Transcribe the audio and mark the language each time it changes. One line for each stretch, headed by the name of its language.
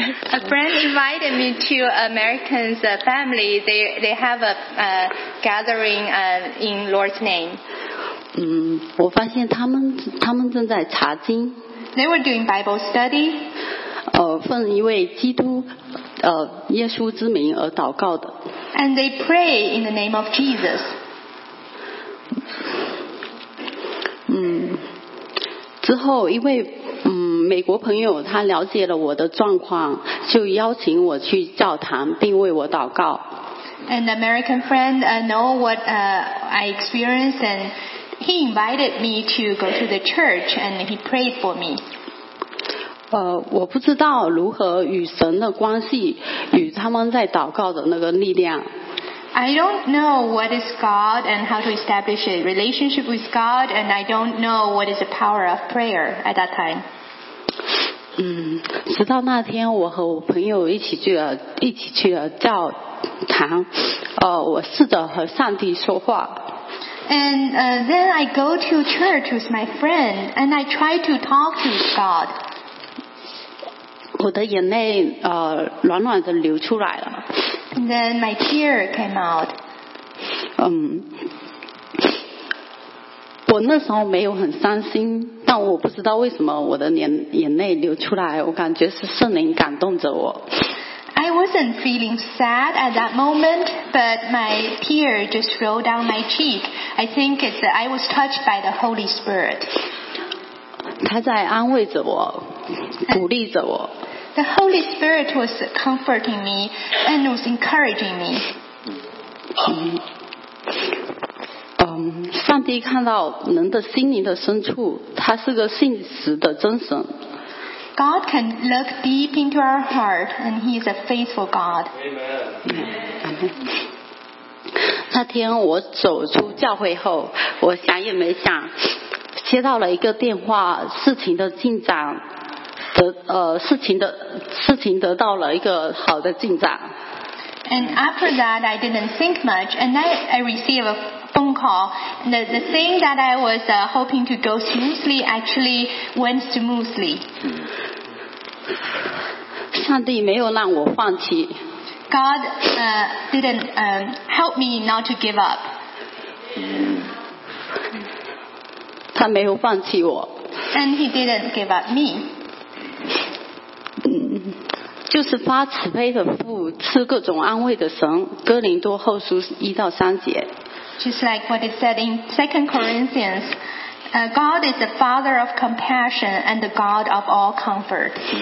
English: A friend invited me to American's family. They have a gathering in Lord's name.
Chinese: 我发现他们正在查经。
English: They were doing Bible study.
Chinese: 奉一位基督耶稣之名而祷告的。
English: And they pray in the name of Jesus.
Chinese: 之后一位美国朋友他了解了我的状况，就邀请我去教堂并为我祷告。
English: An American friend know what I experienced and he invited me to go to the church and he prayed for me.
Chinese: 我不知道如何与神的关系，与他们在祷告的那个力量。
English: I don't know what is God and how to establish a relationship with God, and I don't know what is the power of prayer at that time.
Chinese: 直到那天，我和我朋友一起去了教堂，我试着和上帝说话。
English: And then I go to church with my friend, and I try to talk to God.
Chinese: 我的眼泪软软的流出来了。
English: And then my tear came out.
Chinese: 我那时候没有很伤心，但我不知道为什么我的眼泪流出来，我感觉是圣灵感动着我。
English: I wasn't feeling sad at that moment, but my tear just rolled down my cheek. I think it's that I was touched by the Holy Spirit.
Chinese: 他在安慰着我，鼓励着我。
English: The Holy Spirit was comforting me and was encouraging me.
Chinese: 上帝看到人的心灵的深处，他是个信实的真神。
English: God can look deep into our heart, and He is a faithful God. Amen.
Chinese: 那天我走出教会后，我想也没想，接到了一个电话，事情的进展。事情得到了一个好的进展。
English: And after that, I didn't think much, and I received a phone call. The thing that I was hoping to go smoothly actually went smoothly.
Chinese: 上帝没有让我放弃。
English: God didn't help me not to give up.
Chinese: 他没有放弃我。
English: And He didn't give up me.
Chinese: 就是发慈悲的父，赐各种安慰的神，哥林多后书一到三节。
English: Just like what it said in 2 Corinthians, God is the Father of compassion and the God of all comfort.